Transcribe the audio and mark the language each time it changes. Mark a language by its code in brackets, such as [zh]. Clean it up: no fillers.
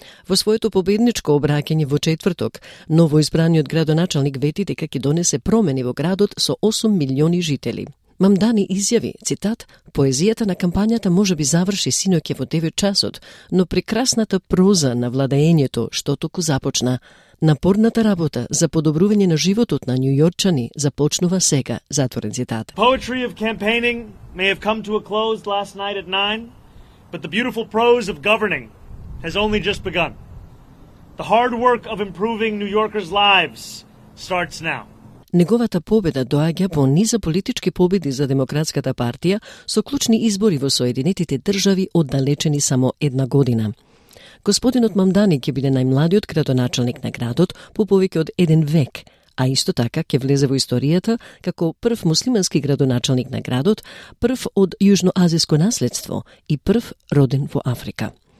[mk] Во своето победничко обраќање во четврток, новоизбраниот градоначалник вети дека ќе донесе промени во градот со 8 милиони жители. Мам дани изјави, цитат, поезијата на кампањата може би заврши синоќе во 9 часот, но прекрасната проза на владењето што току започна. Напорната работа за подобрување на животот на њујорчани започнува сега, затворен цитат. [en] Poetry of campaigning may have come to a close last night at 9, but the beautiful prose of governing has only just begun. The hard work of improving New Yorkers' lives starts now. [mk] Неговата победа доаѓа по низа политички победи за Демократската партија со клучни избори во Соединетите држави оддалечени само една година. Господинот Мамдани ќе биде најмладиот градоначалник на градот по повеќе од еден век, а исто така ќе влезе во историјата како прв муслимански градоначалник на градот, прв од јужноазиско наследство и прв роден во Африка.